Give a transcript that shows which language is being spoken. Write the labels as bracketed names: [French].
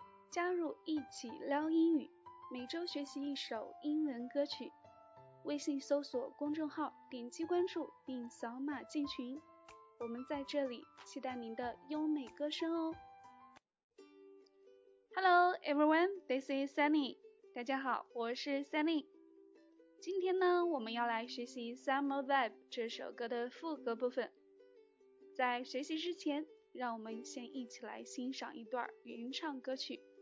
[Chinese] 加入一起撩英语，每周学习一首英文歌曲。微信搜索公众号，点击关注并扫码进群。我们在这里期待您的优美歌声哦。 [English] Hello everyone, this is Sunny. [Chinese] 大家好，我是 Sunny。今天呢，我们要来学习 Summer Vibe 这首歌的副歌部分。在学习之前，让我们先一起来欣赏一段原唱歌曲。